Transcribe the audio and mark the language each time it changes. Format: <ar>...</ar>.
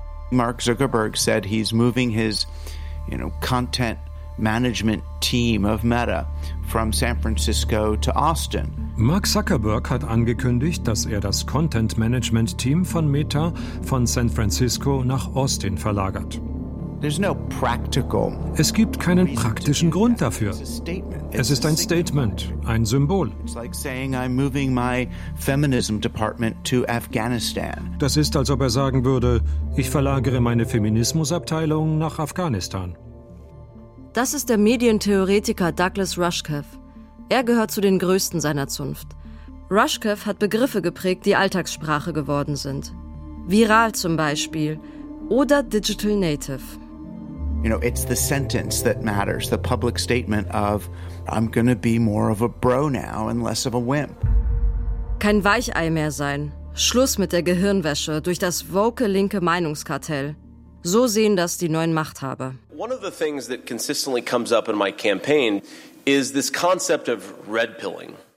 <en>Mark Zuckerberg said he's moving his, you know, content management team of Meta from San Francisco to Austin.</en> <de>Mark Zuckerberg hat angekündigt, dass er das Content Management Team von Meta von San Francisco nach Austin verlagert.</de> <en>There's no practical.</en> <de>Es gibt keinen praktischen Grund dafür. Es ist ein Statement, ein Symbol.</de> <en>It's like saying I'm moving my feminism department to Afghanistan.</en> <de>Das ist, als ob er sagen würde, ich verlagere meine Feminismusabteilung nach Afghanistan. Das ist der Medientheoretiker Douglas Rushkoff. Er gehört zu den Größten seiner Zunft. Rushkoff hat Begriffe geprägt, die Alltagssprache geworden sind. Viral zum Beispiel. Oder digital native.</de> <en>You know, it's the sentence that matters, the public statement of I'm gonna be more of a bro now and less of a wimp.</en> <de>Kein Weichei mehr sein. Schluss mit der Gehirnwäsche durch das woke linke Meinungskartell. So sehen das die neuen Machthaber.</de> <en>One of the things that consistently comes up in my campaign is this concept of red pilling.</en>